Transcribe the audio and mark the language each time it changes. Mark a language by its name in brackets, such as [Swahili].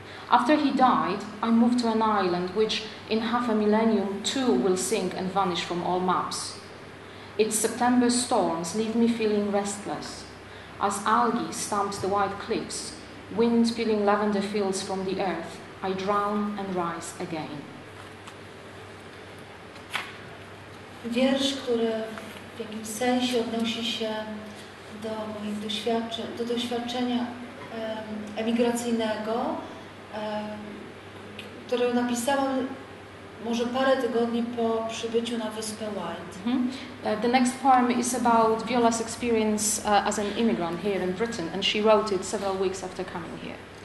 [English] After he died, I moved to an island which in half a millennium too will sink and vanish from all maps. Its September storms leave me feeling restless, as algae stamps the white cliffs, wind peeling lavender fields from the earth, I drown and rise again. [Polish] Wiersz, który w jakimś sensie odnosi się do moich doświadczeń, do doświadczenia emigracyjnego, który napisałam może parę tygodni po przybyciu na wyspę White. Mm-hmm. [English] The next poem is about Viola's experience as an immigrant here in Britain, and she wrote it several weeks after coming here.